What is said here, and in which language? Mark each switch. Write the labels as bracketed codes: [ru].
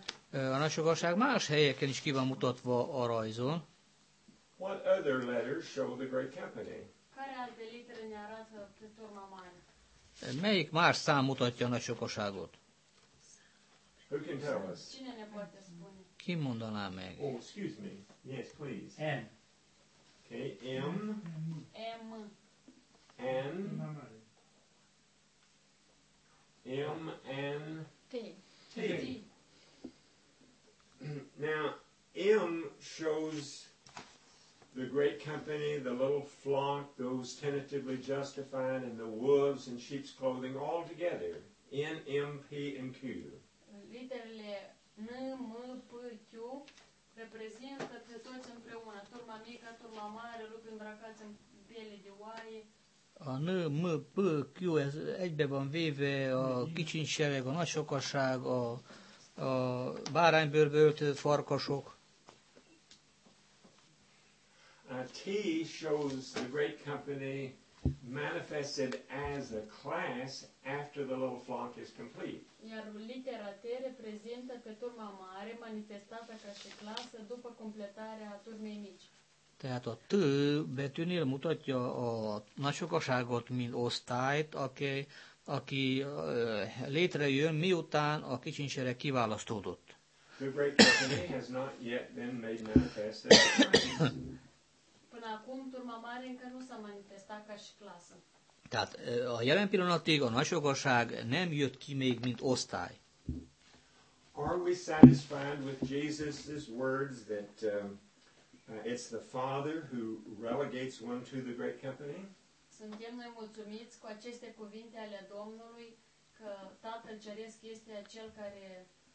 [hu] A nagysokaság más helyeken is ki van mutatva a rajzon. [en] What other letters show the great company? [ro] Care alte litere ne arată pe turma mare? [hu] Melyik más szám mutatja a nagy sokaságot? [en] Who can tell us? [ro] Cine ne poate spune? [hu] Ki mondaná meg? [en] Oh, excuse me. Yes, please. M. Okay, M. M. N. M, N. T. T. T. Now, M shows the great company, the little flock, those tentatively justified, and the wolves in sheep's clothing all together. N, M, P, and Q. [ro] Literele N, M, P, Q reprezintă pe toți împreună. Turma mică, turma mare, lupi îmbrăcați în piele de oaie. [hu] A N, M, P, Q, ez egybe van véve, a kicsiny sereg, a nagy sokaság, a báránybőrbe öltözött farkasok. [en] A T shows the great company manifested as a class after the little flock is complete. [ro] Iar litera T reprezintă pe turma mare manifestată ca și clasă după completarea turmei mici. [hu] Tehát a T betűnél mutatja a nagy sokaságot, mint osztályt, aki létrejön, miután a kicsinysereg kiválasztódott. [en] The great company has not yet been made manifest as a class. [ro] Până acum, turma mare încă nu s-a manifestat ca și clasă. [hu] Tehát a jelen pillanatig a nagy sokaság nem jött ki még, mint osztály. [en] Are we satisfied with Jesus' words that it's the Father who relegates one to the great company? [ro] Suntem noi mulțumiți cu aceste cuvinte ale Domnului că Tatăl Ceresc este acel care